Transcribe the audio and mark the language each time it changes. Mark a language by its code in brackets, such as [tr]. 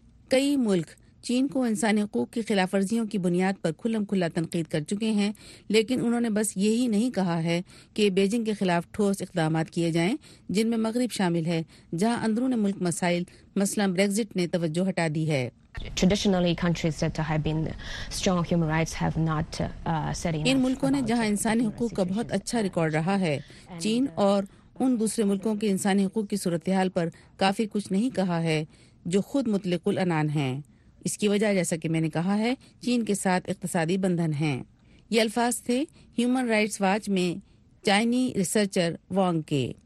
[ur] کئی ملک چین کو انسانی حقوق کی خلاف ورزیوں کی بنیاد پر کھلم کھلا تنقید کر چکے ہیں، لیکن انہوں نے بس یہی نہیں کہا ہے کہ بیجنگ کے خلاف ٹھوس اقدامات کیے جائیں، جن میں مغرب شامل ہے جہاں اندرون ملک مسائل مثلا بریگزٹ نے توجہ ہٹا دی ہے۔ [en] Traditionally, countries that have been strong human rights have not said enough. [ur] ان ملکوں نے جہاں انسانی حقوق کا بہت اچھا ریکارڈ رہا ہے، چین اور ان دوسرے ملکوں کے انسانی حقوق کی صورتحال پر کافی کچھ نہیں کہا ہے جو خود مطلق العنان ہیں۔ اس کی وجہ جیسا کہ میں نے کہا ہے، چین کے ساتھ اقتصادی بندھن ہیں۔ یہ الفاظ تھے ہیومن رائٹس واچ میں چائنی ریسرچر وانگ کے۔